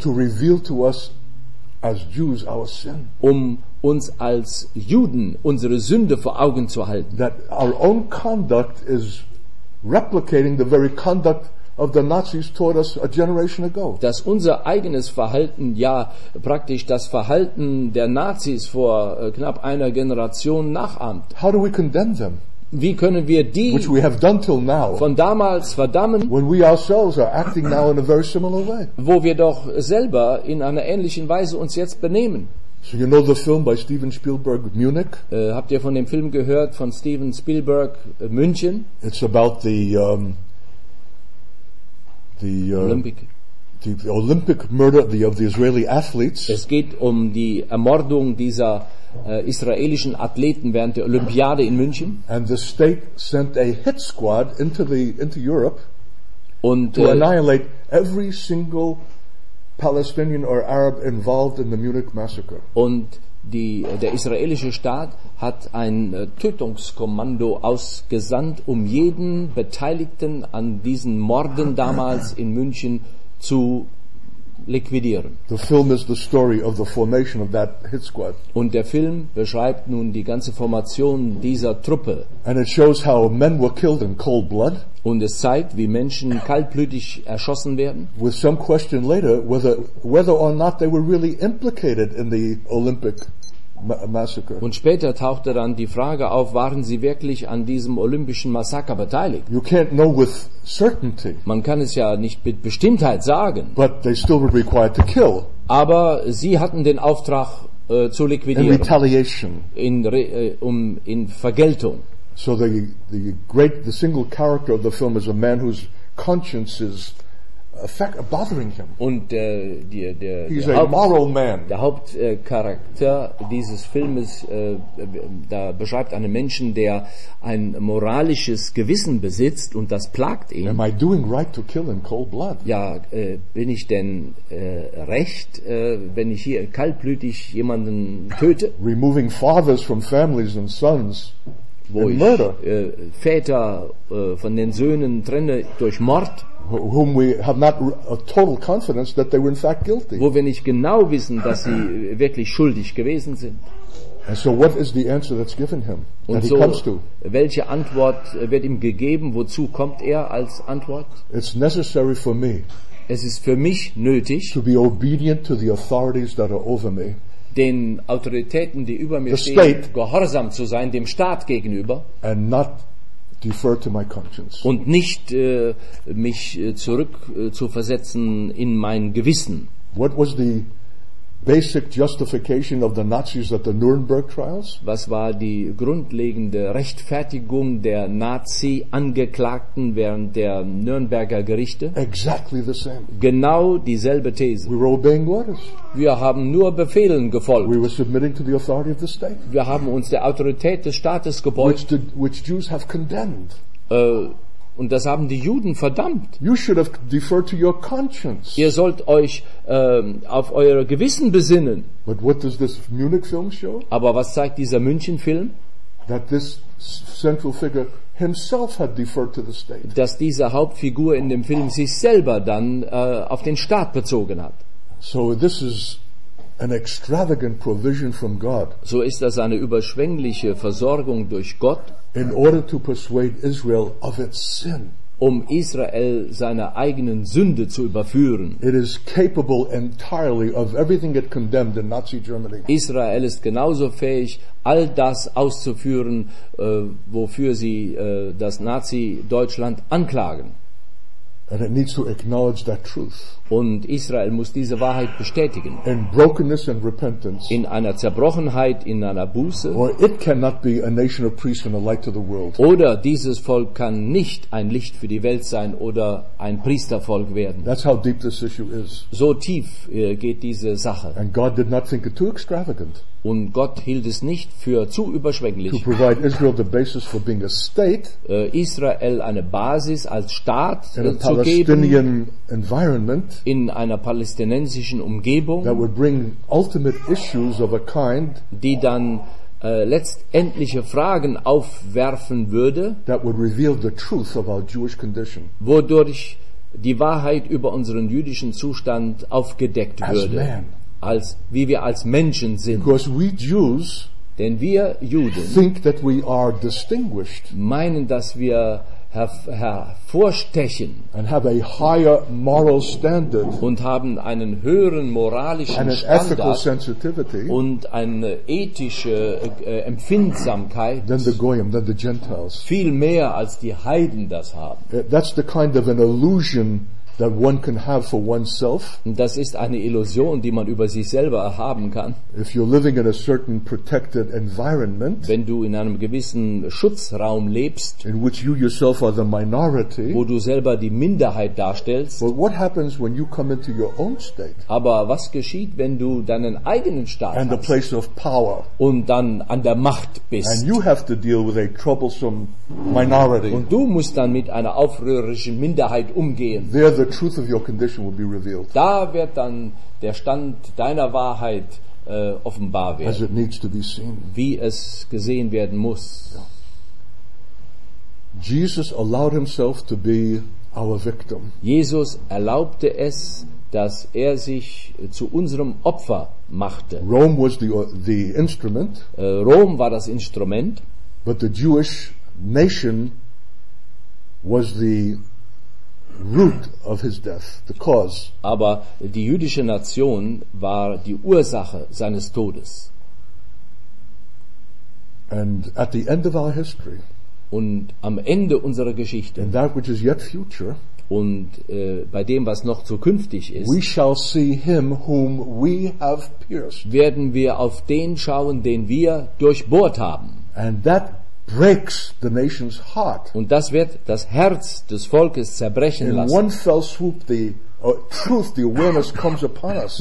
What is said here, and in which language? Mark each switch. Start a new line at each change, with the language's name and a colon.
English: To reveal to us as Jews our sin.
German: Um uns als Juden unsere Sünde vor Augen zu halten.
English: That our own conduct is replicating the very conduct of the Nazis taught us a generation ago.
German: Dass unser eigenes Verhalten ja praktisch das Verhalten der Nazis vor knapp einer Generation nachahmt.
English: How do we condemn them?
German: Wie können wir die,
English: which we have done till now,
German: von damals verdammen,
English: when we ourselves are acting now in a very similar way?
German: Wo wir doch selber in einer ähnlichen Weise uns jetzt benehmen.
English: So you know the film by Steven Spielberg, Munich?
German: Habt ihr von dem Film gehört von Steven Spielberg, München?
English: It's about the the Olympic murder of the Israeli athletes.
German: Es geht um die Ermordung dieser israelischen Athleten während der Olympiade in München.
English: And the state sent a hit squad into Europe
German: und
English: to annihilate every single Palestinian or Arab involved in the Munich massacre.
German: Und der israelische Staat hat ein Tötungskommando ausgesandt, um jeden Beteiligten an diesen Morden damals in München zu liquidieren.
English: The film is the story of the formation of that hit squad.
German: Und der Film beschreibt nun die ganze Formation dieser Truppe.
English: And it shows how men were killed in cold blood.
German: Und es zeigt, wie Menschen kaltblütig erschossen werden.
English: With some question later whether or not they were really implicated in the Olympic
German: Und später tauchte dann die Frage auf, waren sie wirklich an diesem olympischen Massaker beteiligt?
English: You can't know with certainty.
German: Man kann es ja nicht mit Bestimmtheit sagen.
English: But they still were required to kill.
German: Aber sie hatten den Auftrag zu liquidieren.
English: In retaliation.
German: In Vergeltung.
English: So the single character of the film is a man whose conscience is bothering him.
German: Und der
English: he's a moral man.
German: Der Hauptcharakter dieses Filmes da beschreibt einen Menschen, der ein moralisches Gewissen besitzt und das plagt ihn.
English: Am I doing right to kill in cold blood?
German: Ja, bin ich denn recht, wenn ich hier kaltblütig jemanden töte?
English: Removing fathers from families and sons.
German: Wo ich Väter von den Söhnen trenne durch Mord,
English: whom we have not a total confidence that they were in fact guilty.
German: Wo wir nicht genau wissen, dass sie wirklich schuldig gewesen sind.
English: And so what is the answer that's given him,
German: und
English: that so, he comes to?
German: Welche Antwort wird ihm gegeben? Wozu kommt er als Antwort?
English: It's necessary for me.
German: Es ist für mich nötig,
English: to be obedient to the authorities that are over me.
German: Den Autoritäten, die über mir stehen, gehorsam zu sein, dem Staat gegenüber,
English: and not defer to my conscience.
German: Und nicht mich zurück zu versetzen in mein Gewissen.
English: What was the basic justification of the Nazis at the Nuremberg trials?
German: Was war die grundlegende Rechtfertigung der Nazi-Angeklagten während der Nürnberger Gerichte?
English: Exactly the same.
German: Genau dieselbe These.
English: We were obeying orders.
German: Wir haben nur Befehlen gefolgt.
English: We were submitting to the authority of the state.
German: Wir haben uns der Autorität des Staates gebeugt.
English: Which Jews have condemned.
German: Und das haben die Juden verdammt.
English: You should have deferred to your conscience.
German: Ihr sollt euch auf euer Gewissen besinnen.
English: But what does this Munich film show?
German: Aber was zeigt dieser München-Film?
English: That this central figure himself had deferred to the state.
German: Dass diese Hauptfigur in dem Film sich selber dann auf den Staat bezogen hat.
English: So this is an extravagant provision from God.
German: So ist das eine überschwängliche Versorgung durch Gott.
English: In order to persuade Israel of its sin.
German: Um Israel seiner eigenen Sünde zu überführen.
English: It is capable entirely of everything it condemned in Nazi Germany.
German: Israel ist genauso fähig, all das auszuführen, wofür sie das Nazi-Deutschland anklagen.
English: And it needs to acknowledge that truth.
German: Und Israel muss diese Wahrheit bestätigen.
English: In brokenness and repentance.
German: In einer Zerbrochenheit, in einer Buße.
English: Or it cannot be a nation of priests and a light to the world.
German: Oder dieses Volk kann nicht ein Licht für die Welt sein oder ein Priestervolk werden.
English: That's how deep this issue is.
German: So tief geht diese Sache.
English: And God did not think it too extravagant.
German: Und Gott hielt es nicht für zu überschwänglich,
English: to provide Israel the basis for being a state,
German: Israel eine Basis als Staat
English: in
German: zu geben, Palestinian
English: environment,
German: in einer palästinensischen Umgebung,
English: that would bring ultimate issues of a kind,
German: die dann letztendliche Fragen aufwerfen würde,
English: that would reveal the truth of our Jewish condition,
German: wodurch die Wahrheit über unseren jüdischen Zustand aufgedeckt würde. Als wie wir als Menschen sind.
English: Because we Jews,
German: denn wir Juden,
English: think that we are distinguished,
German: meinen, dass wir hervorstechen,
English: and have a higher moral standard,
German: und haben einen höheren moralischen
English: and an
German: Standard,
English: ethical sensitivity,
German: und eine ethische Empfindsamkeit,
English: than the Goyim, than the Gentiles,
German: viel mehr als die Heiden das haben.
English: That's the kind of an illusion that one can have for oneself.
German: Das ist eine Illusion, die man über sich selber haben kann.
English: If you're living in a certain protected environment,
German: wenn du in einem gewissen Schutzraum lebst,
English: in which you yourself are the minority,
German: wo du selber die Minderheit darstellst.
English: But what happens when you come into your own state?
German: Aber was geschieht, wenn du deinen eigenen Staat
English: and the place of power,
German: und dann an der Macht bist?
English: And you have to deal with a troublesome minority.
German: Und du musst dann mit einer aufrührerischen Minderheit umgehen.
English: The truth of your condition will be revealed.
German: Da wird dann der Stand deiner Wahrheit offenbar werden.
English: As it needs to be seen.
German: Wie es gesehen werden muss.
English: Yeah. Jesus allowed himself to be our victim.
German: Jesus erlaubte es, dass er sich zu unserem Opfer machte.
English: Rome was the instrument.
German: Rom war das Instrument.
English: But the Jewish nation was the root of his death, the cause.
German: Aber die jüdische Nation war die Ursache seines Todes.
English: And at the end of our history,
German: und am Ende unserer Geschichte,
English: in that which is yet future,
German: und bei dem, was noch zukünftig ist,
English: we shall see him whom we have pierced,
German: werden wir auf den schauen, den wir durchbohrt haben.
English: And that breaks the nation's heart.
German: Und das wird das Herz des Volkes zerbrechen lassen.
English: In one fell swoop, the awareness comes upon us.